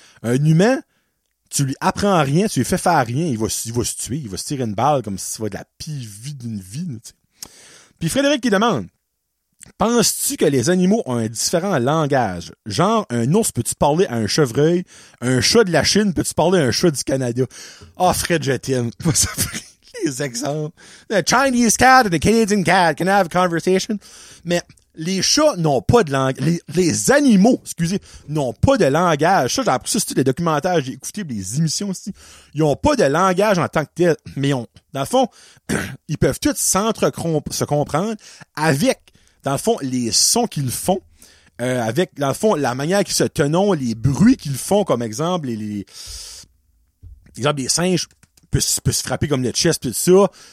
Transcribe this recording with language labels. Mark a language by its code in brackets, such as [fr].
[fr] Un humain, tu lui apprends rien, tu lui fais faire rien, il va se tuer, il va se tirer une balle comme si ça va être la pire vie d'une vie. T'sais. Puis Frédéric qui demande: penses-tu que les animaux ont un différent langage? Genre, un ours, peux-tu parler à un chevreuil? Un chat de la Chine, peux-tu parler à un chat du Canada? Ah, oh, Fred, je t'aime. Ça fait les exemples. [en] The Chinese cat and the Canadian cat can have a conversation. [fr] Mais les chats n'ont pas de langage. Les animaux, excusez, n'ont pas de langage. Ça, j'ai appris ça sur les documentaires, j'ai écouté les émissions aussi. Ils ont pas de langage en tant que tel. Mais ils ont, dans le fond, ils peuvent tous se comprendre avec, dans le fond, les sons qu'ils font, avec, dans le fond, la manière qu'ils se tenons, les bruits qu'ils font, comme exemple, les singes peuvent se frapper comme le chest et tout ça.